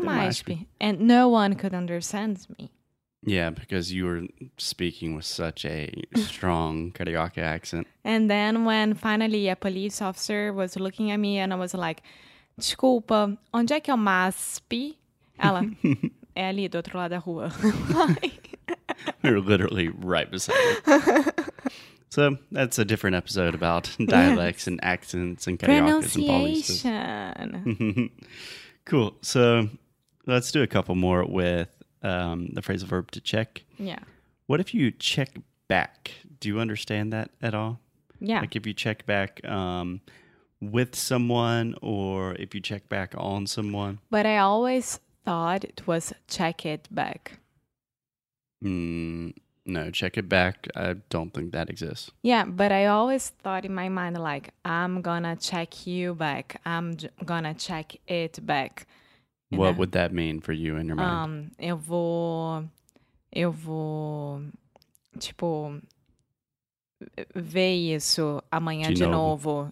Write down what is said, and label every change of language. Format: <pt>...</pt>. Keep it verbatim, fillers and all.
<pt>Cadê o MASP?</pt> <en>MySP? And no one could understand me. Yeah, because you were speaking with such a strong Carioca accent. And then when finally a police officer was looking at me and I was like,</en> <pt>desculpa, onde é que é o MASP? Ela, é ali do outro lado da rua.</pt> <en>We were literally right beside it. So that's a different episode about dialects and accents and karaoke and pronunciation. Cool. So let's do a couple more with um, the phrasal verb to check. Yeah. What if you check back? Do you understand that at all? Yeah. Like if you check back um, with someone or if you check back on someone. But I always thought it was check it back. Mm, no, check it back. I don't think that exists. Yeah, but I always thought in my mind like, I'm gonna check you back. I'm j- gonna check it back. You what know? Would that mean for you in your mind?</en> <pt>Um, eu vou... Eu vou, tipo, ver isso amanhã de, de novo.</pt>